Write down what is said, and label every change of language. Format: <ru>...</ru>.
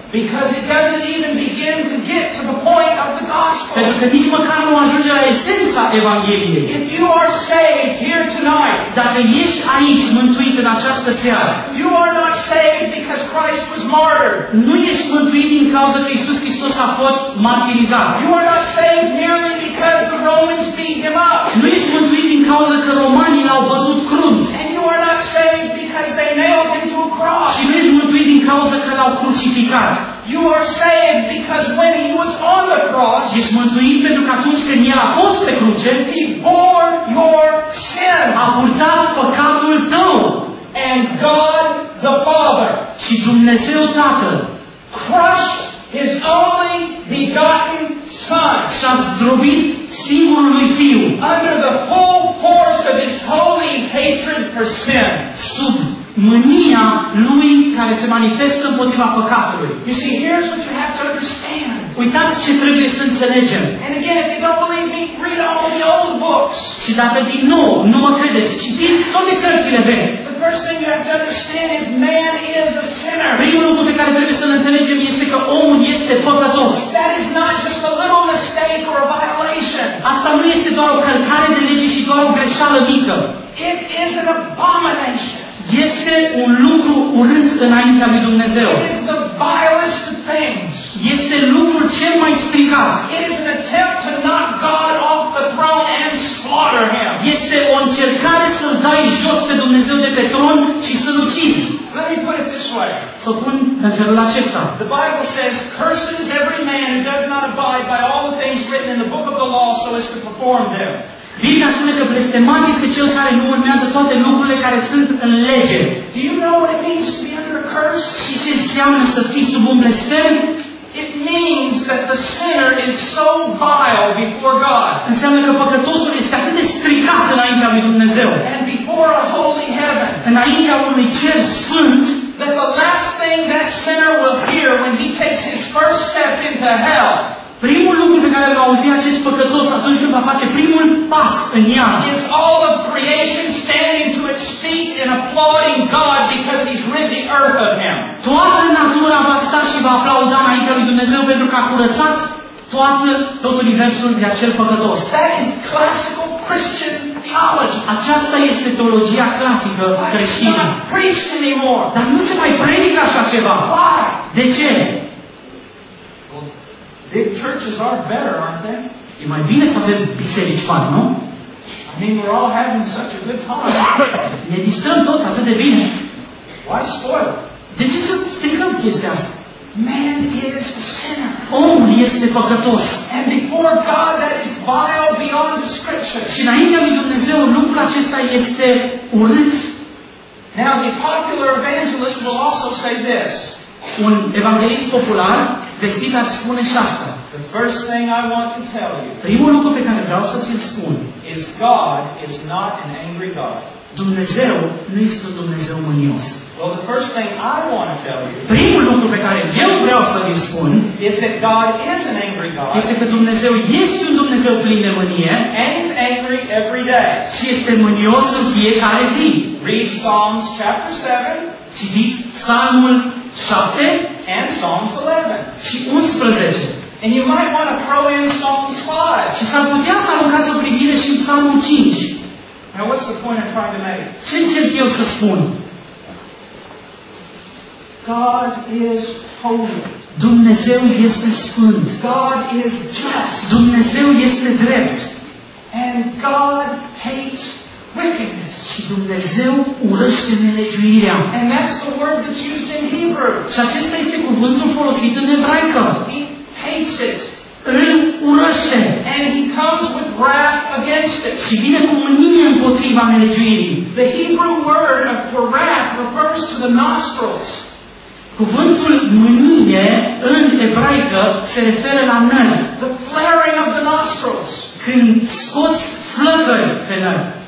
<en>Because it doesn't even begin to get to the point of the gospel.</en> <ro>Pentru că nici măcar nu ajunge la esența Evangheliei.</ro> <en>If you are saved here tonight,</en> <ro>dacă ești aici mântuit în această seară,</ro> <en>you are not saved because Christ was martyred.</en> <ro>Nu ești mântuit din cauza că Iisus Hristos a fost martirizat.</ro> <en>You are not saved merely because the Romans beat him up.</en> <ro>Nu ești mântuit din cauza că romanii l-au bătut crunt.</ro> <en>And you are not saved because they nailed him to a cross.</en> <ro>Și nu ești mântuit din cauza că l-au crucificat.</ro> <en>You are saved because when he was on the cross,</en> <ro>ești mântuit pentru că atunci când el a fost pe cruce,</ro> <en>he bore your sin.</en> <ro>A purtat păcatul tău.</ro> <en>And God the Father,</en> <ro>și Dumnezeu Tatăl,</ro> <en>crushed his only begotten Son,</en> <ro>s-a zdrobit singurului Fiu,</ro> <en>under the full force of his holy hatred for sin,</en> <ro>sub mânia lui care se manifestă împotriva păcatului.</ro> <en>You see, here's what you have to understand.</en> <ro>Uitați ce trebuie să înțelegem.</ro> <en>And again, if you don't believe me, read all the old books.</en> <ro>Și dacă din nou nu mă credeți, citiți toate cărțile vechi.</ro> <en>The first thing you have to understand is man is a sinner.</en> <ro>Primul lucru pe care trebuie să îl înțelegem este că omul este păcătos.</ro> <en>That is not just a little mistake or a violation.</en> <ro>Asta nu este doar o călcare de lege și doar o greșeală mică.</ro> <en>It is an abomination.</en> <ro>Este un lucru urât înaintea lui Dumnezeu.</ro> <en>It is the vilest of things.</en> <ro>Este lucrul cel mai stricat.</ro> <en>It is an attempt to knock God off the throne and slaughter him.</en> <ro>Este o încercare să-l dai jos pe Dumnezeu de pe tron și să-l ucizi.</ro> <en>Let me put it this way.</en> <ro>Să pun în felul acesta.</ro> <en>The Bible says, curses every man who does not abide by all the things written in the book of the law so as to perform them.</en> <ro>Biblia spune că blestemat este cel care nu urmează toate lucrurile care sunt în lege.</ro> <en>Do you know what it means to be under a curse?</en> <ro>Și ce înseamnă să fii sub un blestem?</ro> <en>It means that the sinner is so vile before God.</en> <ro>Înseamnă că păcătosul este atât de stricat înaintea lui Dumnezeu.</ro> <en>And before a holy heaven.</en> <ro>Înaintea unui cer sfânt.</ro> <en>That the last thing that sinner will hear when he takes his first step into hell.</en> <ro>Primul lucru pe care îl va auzi acest păcătos atunci când va face primul pas în iad.</ro> <en>Is all of creation standing to its feet and applauding God because he's rid the earth of him.</en> <ro>Toată natura va sta și va aplauda înaintea lui Dumnezeu pentru că a curățat tot universul de acel păcătos.</ro> <en>That is classical Christian theology.</en> <ro>Aceasta este teologia clasică creștină.</ro> <en>I cannot preach anymore.</en> <ro>Dar nu se mai predică așa ceva.</ro> <en>Why?</en> <ro>De ce?</ro> <en>Big churches are better, aren't they?</en> <ro>E mai bine să avem biserici mari, nu?</ro> <en>I mean, we're all having such a good time.</en> <ro>Ne distrăm tot atât de bine.</ro> <en>Why spoil?</en> <ro>De ce să stricăm chestia asta?</ro> <en>Man is a sinner.</en> <ro>Omul este păcătos.</ro> <en>And before God, that is vile beyond the scripture.</en> <ro>Și înaintea lui Dumnezeu, lucrul acesta este urât.</ro> <en>Now the popular evangelist will also say this.</en> <ro>Un evanghelist popular vestit ar spune și asta.</ro> <en>The first thing I want to tell you.</en> <ro>Primul lucru pe care vreau să ți-l spun.</ro> <en>Is God is not an angry God.</en> <ro>Dumnezeu nu este un Dumnezeu mânios.</ro> <en>Well, the first thing I want to tell you.</en> <ro>Primul lucru pe care eu vreau să vi-l spun.</ro> <en>Is that God is an angry God.</en> <ro>Este că Dumnezeu este un Dumnezeu plin de mânie.</ro> <en>And he's angry every day.</en> <ro>Și este mânios în fiecare zi.</ro> <en>Read Psalms chapter 7.</en> <ro>Citiți Psalmul 7.</ro> <en>And Psalms 11.</en> <ro>Și 11.</ro> <en>And you might want to throw in Psalms 5.</en> <ro>Și s-ar putea să aruncați o privire și în Psalmul 5.</ro> <en>Now what's the point I'm trying to make?</en> <ro>Ce încerc eu să spun?</ro> <en>God is holy.</en> <ro>Dumnezeu este sfânt.</ro> <en>God is just.</en> <ro>Dumnezeu este drept.</ro> <en>And God hates wickedness.</en> <ro>Și Dumnezeu urăște nelegiuirea.</ro> <en>And that's the word that's used in Hebrew.</en> <ro>Și acesta este cuvântul folosit în ebraică.</ro> <en>He hates it.</en> <ro>Îl urăște.</ro> <en>And he comes with wrath against it.</en> <ro>Și vine cu mânie împotriva nelegiuirii.</ro> <en>The Hebrew word for wrath refers to the nostrils.</en> <ro>Cuvântul mânie în ebraică se referă la nări.</ro> <en>The flaring of the nostrils.</en> <ro>Când scoți flăcări pe nări.</ro>